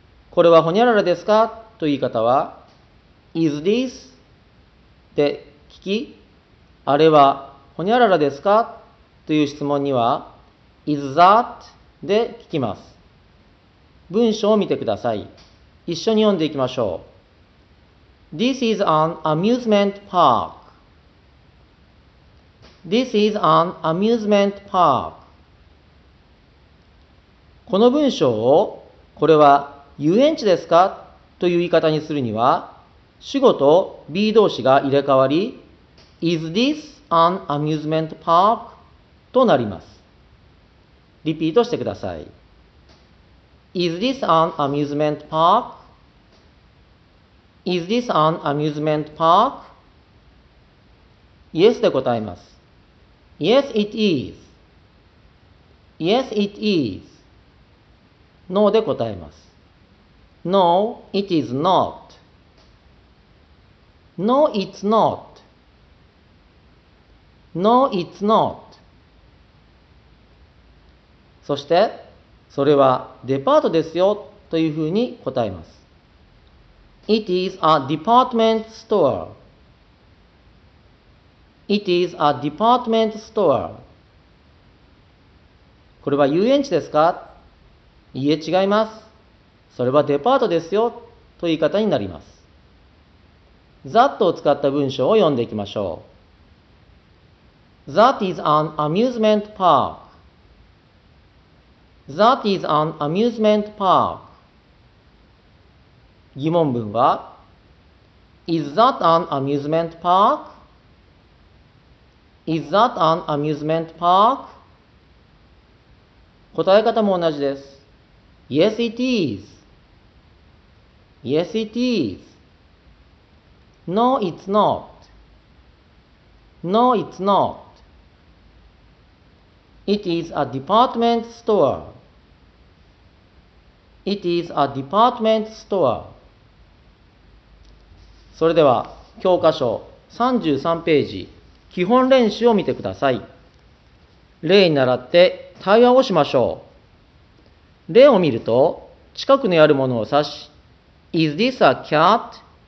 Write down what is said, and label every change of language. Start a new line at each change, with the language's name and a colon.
Japanese: これはほにゃららですかという言い方は、
English: Is this?
Japanese: で聞き、あれはほにゃららですかという質問には、
English: Is that?
Japanese: で聞きます。文章を見てください。一緒に読んでいきましょう。
English: This is an amusement park. This is an amusement park.
Japanese: この文章を、これは遊園地ですかという言い方にするには、主語と be 動詞が入れ替わり、
English: Is this an amusement park?
Japanese: となります。リピートしてください。
English: Is this an amusement park? Is this an amusement park? Yes
Japanese: で答えます。
English: Yes, it is. Yes, it is. No
Japanese: で答えます。
English: No, it is not. No, it's not. No, it's not.
Japanese: そして、それはデパートですよというふうに答えます。
English: It is a department store. It is a department store.
Japanese: これは遊園地ですか?いえ、違います。それはデパートですよという言い方になります。That を使った文章を読んでいきましょう。
English: That is an amusement park. That is an amusement park.
Japanese: 疑問文は
English: Is that an amusement park? Is that an amusement park?
Japanese: 答え方も同じです。
English: Yes, it is. Yes, it is. No, it's not. No, it's not. It is a department store. It is a department store.
Japanese: それでは、教科書33ページ、基本練習を見てください。例に習って対話をしましょう。例を見ると、近くにあるものを指し、
English: Is this a cat?